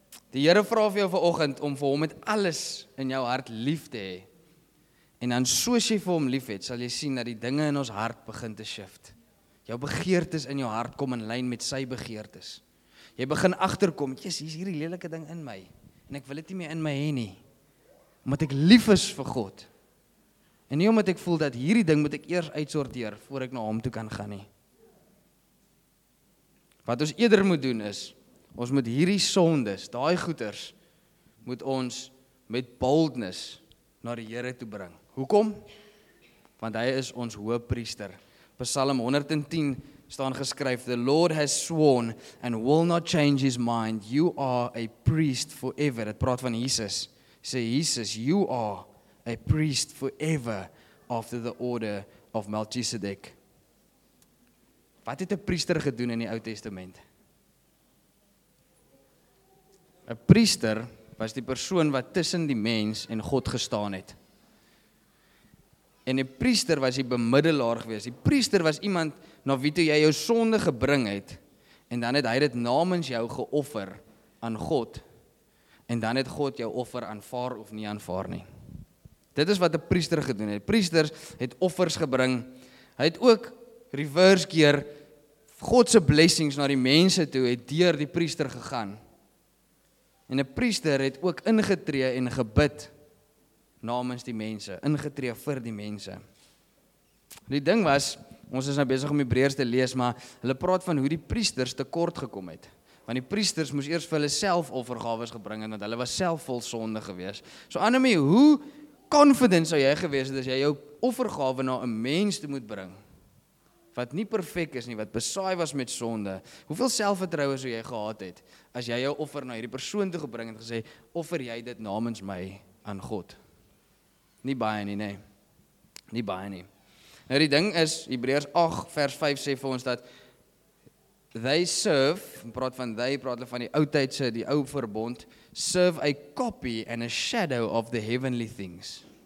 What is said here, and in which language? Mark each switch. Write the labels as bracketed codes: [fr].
[af] Die Here vra vir jou vanoggend om vir hom met alles in jou hart lief te hê. En dan soos jy vir hom lief het, sal jy sien dat die dinge in ons hart begin te shift. Jou begeertes in jou hart kom in lyn met sy begeertes. Jy begin agterkom, Jesus, hier is hierdie lelike ding in my. En ek wil dit nie meer in my hê nie. Omdat ek lief is vir God. En nie omdat ek voel dat hierdie ding moet ek eers uitsorteer voor ek na hom toe kan gaan nie. Wat ons eerder moet doen is, ons moet hierdie sondes, daai goeders, moet ons met boldness na die Here toe bring. Hoekom? Want hy is ons hoë priester. Psalm 110 staan geskryf, [en] The Lord has sworn and will not change his mind. You are a priest forever. [af] Dit praat van Jesus. Sê Jesus, [en] you are a priest forever after the order of Melchizedek. [af] Wat het 'n priester gedoen in die Ou Testament? 'n Priester was die persoon wat tussen die mens en God gestaan het. En 'n priester was die bemiddelaar gewees. Die priester was iemand na wie toe jy jou sonde gebring het en dan het hy dit namens jou geoffer aan God. En dan het God jou offer aanvaar of nie aanvaar nie. Dit is wat 'n priester gedoen het. Priesters het offers gebring. Hy het ook reverse keer God se blessings na die mense toe het deur die priester gegaan. En 'n priester het ook ingetree en gebid namens die mense, ingetree vir die mense. Die ding was, ons is nou besig om Hebreërs te lees, maar hulle praat van hoe die priesters tekort gekom het. Want die priesters moes eers vir hulle self offergawes gebring het, want hulle was self vol sonde gewees. So Anemi, hoe confident sou jy gewees het as jy jou offergawe na 'n mens toe moet bring? Wat nie perfek is nie, wat besaai was met sonde. Hoeveel selfvertroue sou jy gehad het as jy jou offer na hierdie persoon toe gebring het en gesê, offer jy dit namens my aan God? Nie baie nie, nee. Nie baie nie. Nou die ding is, Hebreërs 8 vers 5 sê vir ons dat [en] they serve, [af] praat van they, praat hulle van die ou tydse, die ou verbond, [en] serve a copy and a shadow of the heavenly things.